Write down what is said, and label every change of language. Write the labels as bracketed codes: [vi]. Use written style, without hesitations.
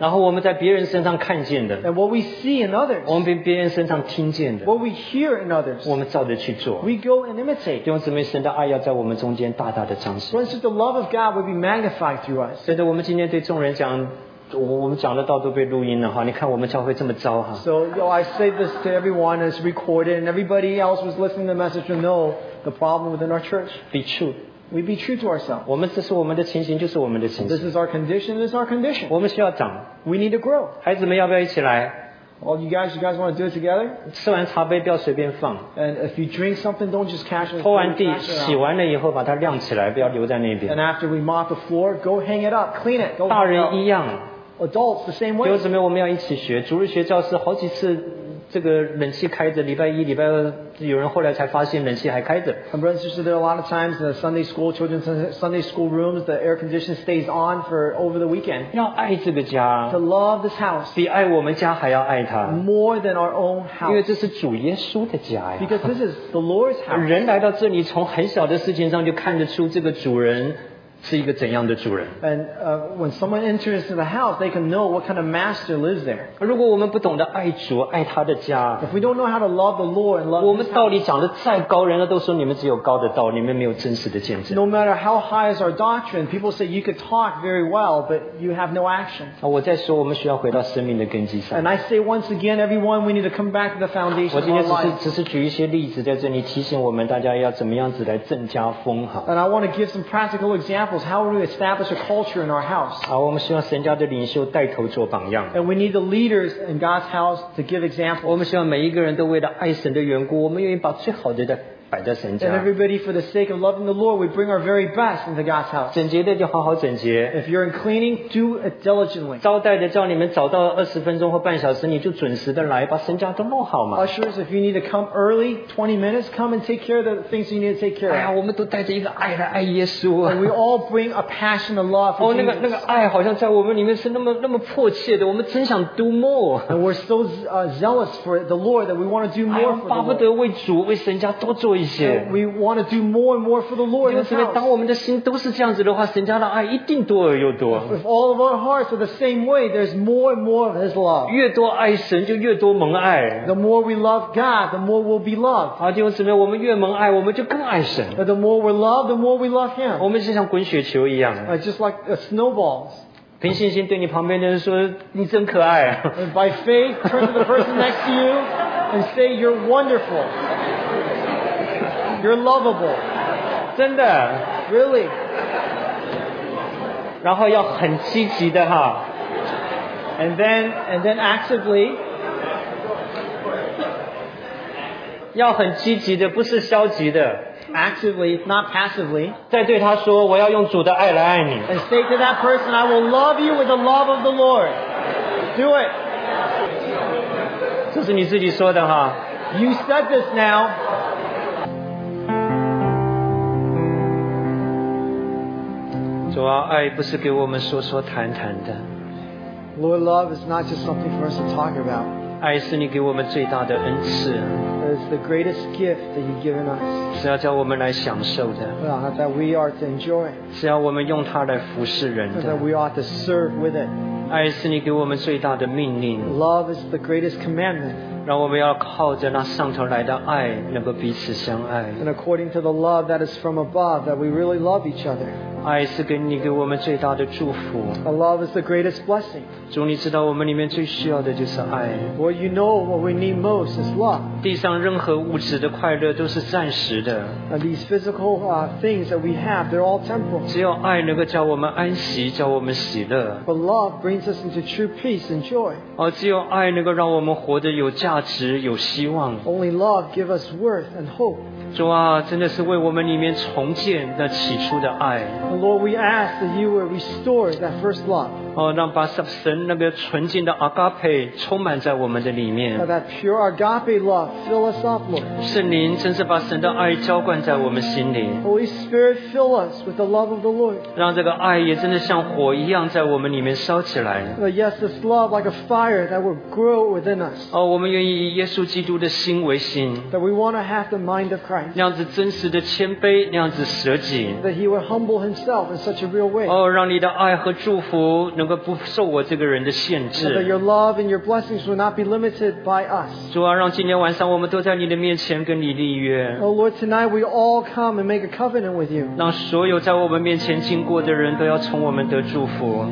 [zh] 然后我们在别人身上看见的。 [en] And what we see in others. [zh] 我们在别人身上听见的。 [en] What we hear in others. [zh] 我们照着去做。 [en] We go and imitate. [zh] 弟兄姊妹，神的爱要在我们中间大大的彰显。 [en] Friends, the love of God will be magnified through us. [zh] 所以我们今天对众人讲，我们讲的道都被录音了哈，你看我们教会这么糟哈。 [en] So you know, I say this to everyone as recorded, and everybody else was listening to the message to know the problem within our church. Be true. We be true to ourselves. [zh] 我们这是我们的情形，就是我们的情形。 [en] This is our condition. This is our condition. [zh] 我们需要长。 [en] We need to grow. [zh] 孩子们要不要一起来 [en] ？All you guys want to do it together? [zh] 吃完茶杯不要随便放。 [en] And if you drink something, don't just cash it. [zh] 拖完地，洗完了以后把它晾起来，不要留在那边。 [en] And after we mop the floor, go hang it up, clean it. [zh] 大人一样。 [en] Adults the same way. [zh] 弟兄姊妹，我们要一起学。主日学教室好几次。这个冷气开着，礼拜一、礼拜二，有人后来才发现冷气还开着。 [en] Friends, sister, there are a lot of times in the Sunday school children's Sunday school rooms, the air conditioning stays on for over the weekend. [zh] 要爱这个家。 [en] To love this house. [zh] 比爱我们家还要爱它。 [en] More than our own house. [zh] 因为这是主耶稣的家呀。 [en] Because this is the Lord's house. [zh] 人来到这里，从很小的事情上就看得出这个主人。是一个怎样的主人 [en] ？And when someone enters the house, they can know what kind of master lives there. [zh] 如果我们不懂得爱主，爱他的家 [en] ，If we don't know how to love the Lord and love his house, [zh] 我们道理讲的再高，人家都说你们只有高的道，你们没有真实的见证。 [en] No matter how high is our doctrine, people say you could talk very well, but you have no action. [zh] 我再说，我们需要回到生命的根基上。 [en] And I say once again, everyone, we need to come back to the foundation of our life. [zh] 我今天只是举一些例子在这里提醒我们大家要怎么样子来增加丰好。 [en] And I want to give some practical examples. How do we establish a culture in our house? [zh] 好，我们希望神家的领袖带头做榜样。 [en] And we need the leaders in God's house to give example. [zh] 我们希望每一个人都为了爱神的缘故，我们愿意把最好的摆在神家。 [en] And everybody, for the sake of loving the Lord, we bring our very best into God's house. [zh] 整洁的就好好整洁。 [en] If you're in cleaning, do it diligently. [zh] 招待的叫你们早到二十分钟或半小时，你就准时的来，把神家都弄好嘛。 [en] Ushers, if you need to come early, 20 minutes, come and take care of the things you need to take care of. [zh] 哎呀，我们都带着一个爱来爱耶稣。 [en] And we all bring a passion of love. [zh] 那个爱好像在我们里面是那么迫切的，我们真想 [en] do more. And we're so zealous for the Lord that we want to do more for the Lord. [zh] 巴不得为主为神家多做。 [en] And we want to do more and more for the Lord. [zh] 因为姊妹，当我们的心都是这样子的话，神家的爱一定多而又多。 [en] If all of our hearts are the same way, there's more and more of His love. [zh] 越多爱神，就越多蒙爱。 [en] The more we love God, the more we'll be loved. [zh] 好，弟兄姊妹，我们越蒙爱，我们就更爱神。 [en] But the more we're loved, the more we love Him. [zh] 我们就像滚雪球一样。 [en] Just like a snowballs. [zh] 凭信心对你旁边的人说你真可爱。 [en] By faith, turn to the person next to you and say you're wonderful. You're lovable. [zh] 真的。 [en] Really? [zh] 然后要很积极的哈。 [en] And then actively. [zh] 要很积极的不是消极的。 [en] Actively, not passively. [zh] 再对他说我要用主的爱来爱你。 [en] And say to that person, I will love you with the love of the Lord. Do it. [zh] 这是你自己说的哈。 [en] You said this now. [zh] 主啊，爱不是给我们说说谈谈的。 [en] Lord, love is not just something for us to talk about. [zh] 爱是你给我们最大的恩赐。 [en] It's the greatest gift that you've given us. [zh] 是要叫我们来享受的。 [en] That we are to enjoy. [zh] 是要我们用它来服侍人的。 [en] That we ought to serve with it. [zh] 爱是你给我们最大的命令。 [en] Love is the greatest commandment. [zh] 让我们要靠着那上头来的爱能够彼此相爱 [en] and according to the love that is from above that we really love each other [zh] 爱是给你给我们最大的祝福 [en] a love is the greatest blessing [zh] 主你知道我们里面最需要的就是爱 [en] well you know what we need most is love [zh] 地上任何物质的快乐都是暂时的 [en] and these physical things that we have they're all temporal [zh] 只有爱能够叫我们安息叫我们喜乐 [en] but love brings us into true peace and joy [zh] 只有爱能够让我们活得有价值有希望 [en] Only love give us worth and hope. [zh] 主啊，真的是为我们里面重建那起初的爱。 [en] Lord, we ask that you will restore that first love. [zh] 让把神那个纯净的 agape 充满在我们的里面。 [en] That pure agape love fill us up, Lord. [zh] 圣灵真是把神的爱浇灌在我们心里。 [en] Holy Spirit, fill us with the love of the Lord. [zh] 让这个爱也真的像火一样在我们里面烧起来。 [en] Yes, this love like a fire that will grow within us. [zh] 我们愿意以耶稣基督的心为心 [en] that we want to have the mind of Christ [zh] 那样子真实的谦卑那样子舍己 [en] that he would humble himself in such a real way [zh] 让你的爱和祝福能够不受我这个人的限制 [en] that your love and your blessings will not be limited by us [zh] 主啊让今天晚上我们都在你的面前跟你立约 [en] Lord tonight we all come and make a covenant with you [zh] 让所有在我们面前经过的人都要从我们得祝福